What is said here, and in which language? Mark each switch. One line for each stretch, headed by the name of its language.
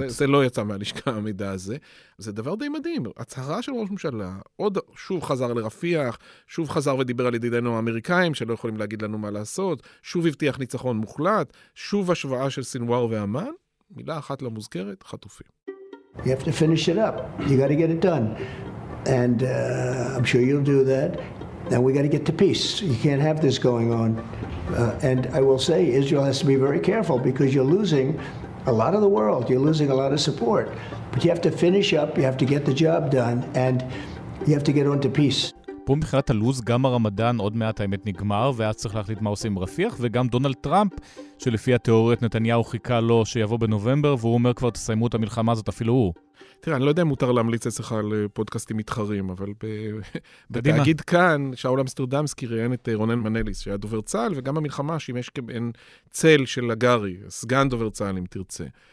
Hebrew: זה לא יצא מהלשכה המידע הזה. זה דבר די מדהים. הצהרה של ראש ממשלה, עוד שוב חזר לרפיח, שוב חזר ודיבר על ידידינו האמריקאים שלא יכולים להגיד לנו מה לעשות, שוב הבטיח ניצחון מוחלט, שוב השוואה של סינואר ואמן, מילה אחת לא מוזכרת, חטופים.
English: You have to finish it up. You got to get it done. And I'm sure you'll do that. And we got to get to peace. You can't have this going on. And I will say, Israel has to be very careful because you're losing a lot of the world. You're losing a lot of support. But you have to finish up. You have to get the job done. And you have to get on to peace.
Hebrew: פה מבחינת הלוז, גם הרמדאן עוד מעט האמת נגמר, ואז צריך להחליט מה עושה עם רפיח, וגם דונלד טראמפ, שלפי התיאוריית נתניהו חיכה לו שיבוא בנובמבר, והוא אומר כבר תסיימו את המלחמה הזאת אפילו הוא. תראה, אני לא יודע אם מותר להמליץ אצלך על פודקאסטים מתחרים, אבל בתאגיד כאן, שאול אמסטרדמסקי ראיין את רונן מנליס, שהיה דובר צהל, וגם המלחמה שימש כבן צל של הגרי, סגן דובר צהל אם תרצה.